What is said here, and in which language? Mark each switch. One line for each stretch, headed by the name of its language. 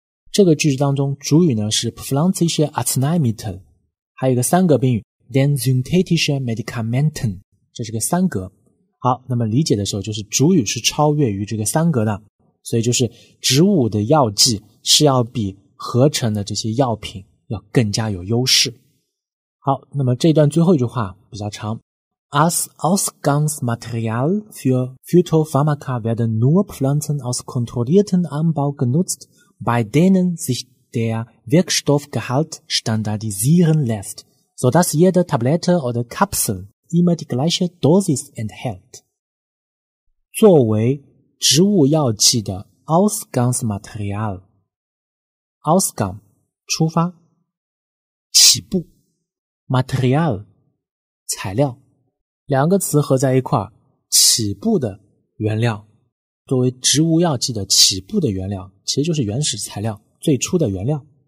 Chinese: 这个句子当中主语呢是 pflanzliche Arzneimittel， 还有一个三格宾语
German: den synthetischen Medikamenten，
Chinese: 这是个三格。好，那么理解的时候就是主语是超越于这个三格的，所以就是植物的药剂是要比合成的这些药品要更加有优势。好，那么这段最后一句话比较长，
German: As Ausgangsmaterial für Phytopharmaka werden nur Pflanzen aus kontrollierten Anbau genutzt, bei denen sich der Wirkstoffgehalt standardisieren lässt, sodass jede Tablette oder Kapsel immer die gleiche Dosis enthält.
Chinese: 作为植物药剂的 Ausgangsmaterial， Ausgang 出发起步，material 材料，两个词合在一块，起步的原料，作为植物药剂的起步的原料，其实就是原始材料，最初的原料。